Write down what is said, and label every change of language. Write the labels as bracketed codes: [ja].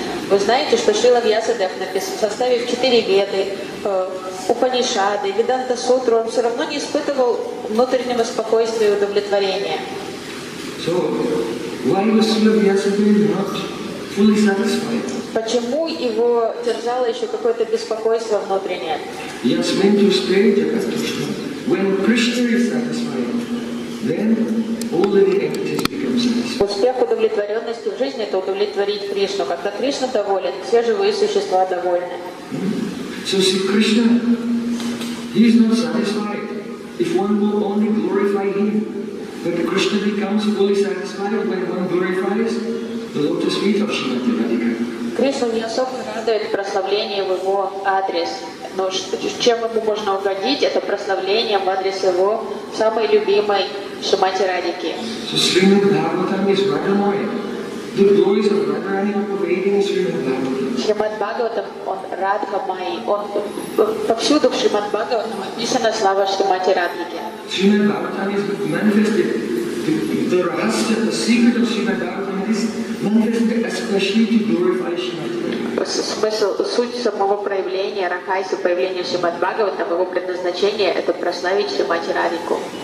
[ru] Вы знаете, что Шрила Вьясадев написал, составив четыре веды, Упанишады, Веданта Сутру, он все равно не испытывал внутреннего спокойствия и удовлетворения. [en] So, why was Шрила Вьясадев not fully satisfied? [ru] Почему его терзало еще какое-то беспокойство внутреннее? [en] Yes, when you stay to Krishna, when Krishna is satisfied, then all the activities become satisfied. [ru] Успех удовлетворенности в жизни — это удовлетворить Кришну. Когда Кришна доволен, все живые существа довольны. [en] So see, Krishna, he is not satisfied if one will only glorify him. But Krishna becomes fully satisfied when one glorifies the lotus feet of Srimati Radhika. [ru] Кришна не особо радует прославление в его адрес. Но чем ему можно угодить? Это прославление в адрес его самой любимой Шримати Радхики. [en] So, Srimad Bhagavatam is Radhamaya. The glories of Radharani are pervading Srimad Bhagavatam. [ru] Шримад Бхагаватам, он Радхамай. Он повсюду в Шримад Бхагаватам описана слава Шримати Радхики. [en] Srimad Bhagavatam is manifested. The rahasya, the secret of Srimad Bhagavatam is [ru] смысл, суть самого проявления Рахайса, появления Шримад Бхагаватам, его предназначение — это прославить Шримати Радхику.